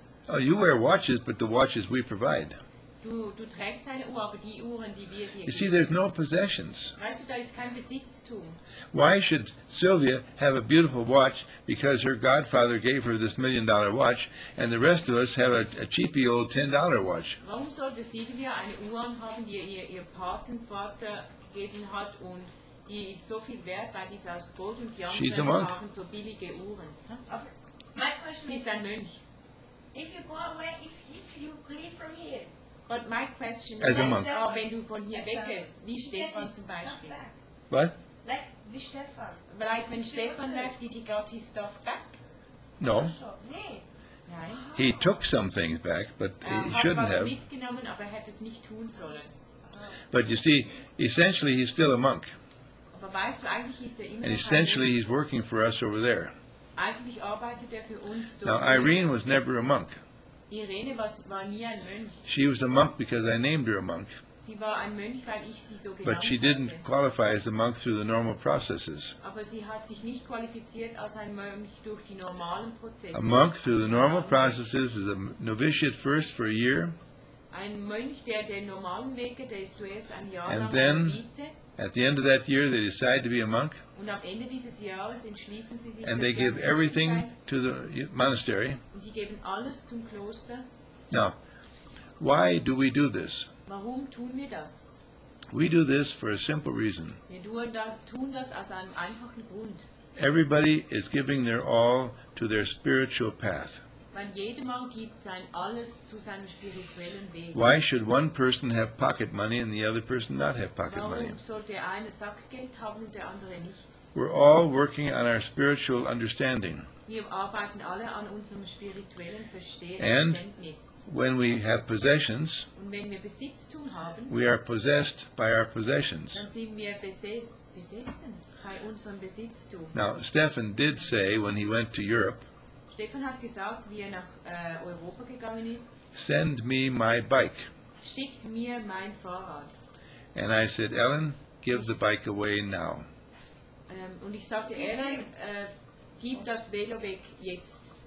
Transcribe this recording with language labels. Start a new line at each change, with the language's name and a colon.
English: Oh, you wear watches, but the watches we provide.
German: Du trägst deine Uhr, aber die Uhren, die wir hier
English: you see, there's no possessions.
German: Weißt du, da ist kein Besitztum.
English: Why should Sylvia have a beautiful watch because her godfather gave her this million-dollar watch and the rest of us have a cheapy old $10 watch?
German: Warum sollte Sylvia eine Uhr haben, die ihr Patenvater gegeben hat und die ist so viel wert, weil die ist aus Gold und die anderen haben so billige Uhren?
English: My question is,
German: ein Mönch.
English: If you go away, if you leave from here, but my question as is, a monk.
German: Oh, wenn du von hier weggehst, wie Stefan zum Beispiel?
English: What? Like,
German: wie Stefan.
English: But like, when Stefan left, did he got his stuff back? No.
German: Nein.
English: He took some things back, but he shouldn't have.
German: Mitgenommen, aber hätte es nicht tun sollen.
English: But you see, essentially he's still a monk.
German: Aber weißt du, eigentlich ist immer
English: and essentially he's working for us over there.
German: Eigentlich arbeitet für uns.
English: Now, Irene was never a monk.
German: Irene war nie ein Mönch.
English: She was a monk because I named her a monk.
German: Sie war ein Mönch, weil ich sie so
English: but she didn't qualify as a monk through the normal processes.
German: Aber sie hat sich nicht qualifiziert als ein Mönch durch die normalen Prozesse.
English: A monk through the normal processes is a novitiate first for a year.
German: Ein Mönch, der den normalen Weg geht, der ist zuerst ein Jahr
English: and
German: lang
English: then,
German: Novize.
English: At the end of that year, they decide to be a monk.
German: Und am Ende dieses Jahres entschließen sie sich
English: and they give everything to the monastery.
German: Und sie geben alles zum Kloster.
English: Now, why do we do this?
German: Warum tun wir das?
English: We do this for a simple reason.
German: Tun das aus einem einfachen Grund.
English: Everybody is giving their all to their spiritual path.
German: Weil jeder Mann gibt sein alles zu seinem spirituellen Weg.
English: Why should one person have pocket money and the other person not have pocket
German: warum
English: money?
German: Warum sollte eine Sackgeld haben und der andere nicht?
English: We're all working on our spiritual understanding.
German: Wir arbeiten alle an unserem spirituellen Verständnis.
English: And when we have possessions,
German: und wenn wir Besitztum haben,
English: we are possessed by our possessions.
German: Dann sind wir besessen bei unserem Besitztum.
English: Now, Stefan did say when he went to Europe,
German: Stefan hat gesagt, wie er nach Europa gegangen ist,
English: send me my bike.
German: Schickt mir mein Fahrrad.
English: And I said, Ellen, give the bike away now.
German: Und ich sagte, Ellen, gib das Velo weg jetzt.